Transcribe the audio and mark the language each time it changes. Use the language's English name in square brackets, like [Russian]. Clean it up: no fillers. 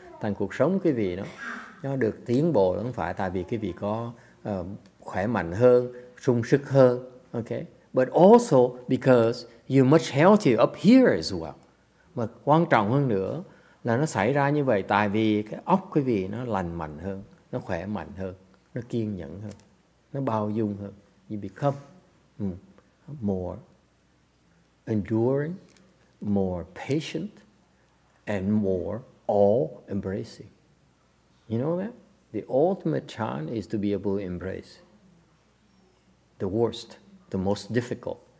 [Vietnamese] Thành cuộc sống quý vị nó được tiến bộ không phải tại vì quý vị có khỏe mạnh hơn, sung sức hơn, okay? [English] But also because you're much healthier up here as well. [Vietnamese] Mà quan trọng hơn nữa là nó xảy ra như vậy tại vì cái óc quý vị nó lành mạnh hơn, nó khỏe mạnh hơn, nó kiên nhẫn hơn, nó bao dung hơn. [English] You become more enduring, more patient, and more all-embracing. You know that? The ultimate chan is to be able to embrace the worst, the most difficult.